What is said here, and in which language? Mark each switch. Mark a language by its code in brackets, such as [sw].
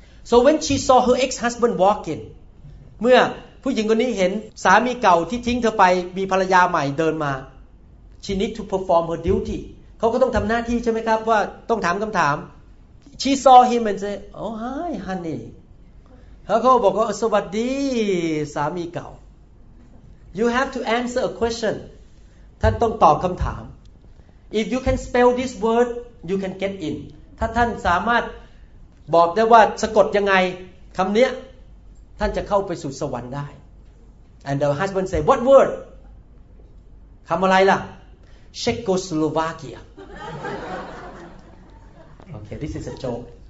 [en] So when she saw her ex-husband walk in, [th] เมื่อผู้หญิงคนนี้เห็นสามีเก่าที่ทิ้งเธอไปมีภรรยาใหม่เดินมา [en] she need to perform her duty. [th] เขาก็ต้องทำหน้าที่ใช่ไหมครับว่าต้องถามคำถาม [en] she saw him and say, oh hi honey. [th] แล้วเขาบอกว่าสวัสดีสามีเก่า [en] you have to answer a question. [th] ท่านต้องตอบคำถาม if you can spell this word, you can get in. ถ้าท่านสามารถบอกได้ว่าสะกดยังไงคำนี้ท่านจะเข้าไปสู่สวรรค์ได้ [en] And the husband say what word [th] คำอะไรล่ะ Czechoslovakia [en] Okay this is a joke